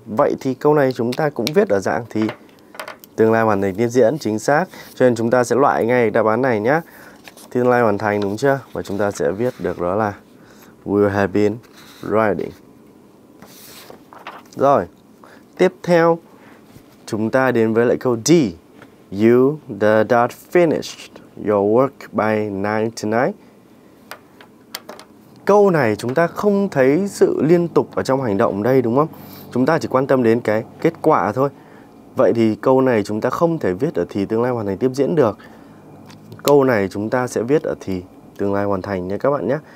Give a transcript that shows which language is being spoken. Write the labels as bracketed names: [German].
[Vietnamese] Vậy thì câu này chúng ta cũng viết ở dạng thì tương lai hoàn thành tiếp diễn, chính xác. Cho nên chúng ta sẽ loại ngay đáp án này nhé. Tương lai hoàn thành, đúng chưa? Và chúng ta sẽ viết được đó là will have been writing. Rồi, tiếp theo chúng ta đến với lại câu D. [English] You the dot finished your work by 9 tonight. [Vietnamese] Câu này chúng ta không thấy sự liên tục ở trong hành động đây, đúng không? Chúng ta chỉ quan tâm đến cái kết quả thôi. Vậy thì câu này chúng ta không thể viết ở thì tương lai hoàn thành tiếp diễn được. Câu này chúng ta sẽ viết ở thì tương lai hoàn thành nha các bạn nhé.